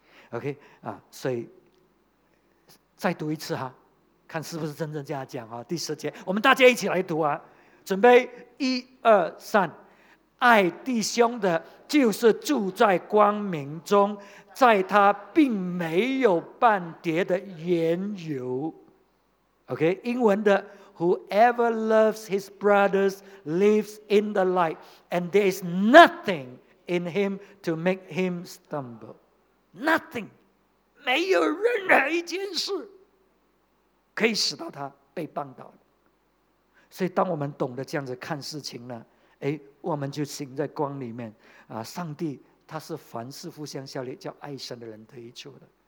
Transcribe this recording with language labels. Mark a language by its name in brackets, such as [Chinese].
[Chinese] OK 啊，所以再读一次哈，看是不是真正这样讲啊？第十节，我们大家一起来读啊，准备，一二三。爱弟兄的就是住在光明中，在他并没有半点的缘由。 [English] OK， [Chinese] 英文的 [English] Whoever loves his brothers lives in the light, and there is nothing in him to make him stumble. [Chinese] Nothing， 没有任何一件事可以使到他被绊倒。所以当我们懂得这样子看事情呢，我们就行在光里面、啊、上帝他是凡事互相效力叫爱神的人得益处的。